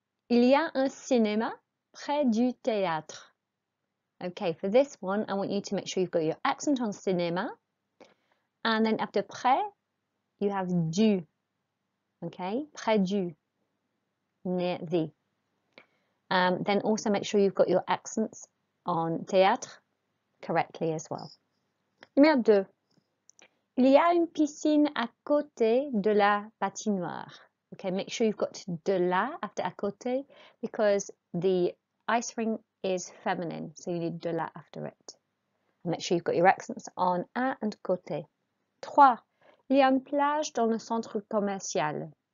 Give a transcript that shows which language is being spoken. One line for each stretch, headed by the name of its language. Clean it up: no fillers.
French: Il y a un cinéma près du théâtre.
English: Okay, for this one, I want you to make sure you've got your accent on cinéma. And then after près, you have du. Okay, près du, near the. Then also make sure you've got your accents on théâtre correctly as well.
French: Numéro 2. Il y a une piscine à côté de la patinoire.
English: Okay, make sure you've got de la after à côté because the ice ring is feminine, so you need de la after it. Make sure you've got your accents on à and côté. 3.
French: Il y a une plage dans le centre commercial.